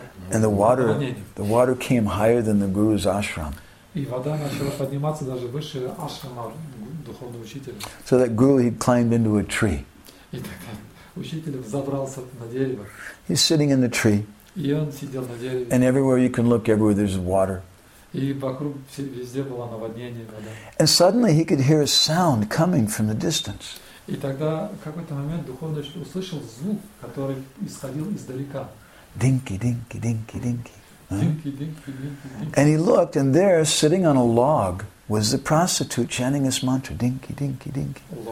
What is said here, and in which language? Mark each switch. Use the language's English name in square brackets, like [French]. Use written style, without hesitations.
[English] And the water came higher than the guru's ashram. [Russian] И вода начала подниматься даже выше ашрама духовного учителя. [English] So that guru, he climbed into a tree. [Russian] И тогда учитель забрался на дерево. [English] He's sitting in the tree. [Russian] И он сидел на дереве. [English] And everywhere you can look, everywhere there's water. [Russian] И вокруг везде было наводнение, вода. [English] And suddenly he could hear a sound coming from the distance. [Russian] И тогда в какой-то момент духовный учитель услышал звук, который исходил издалека. Динки, динки, динки, динки. Mm-hmm. [English] And he looked, and there, sitting on a log, was the prostitute chanting this mantra, dinky, dinky, dinky.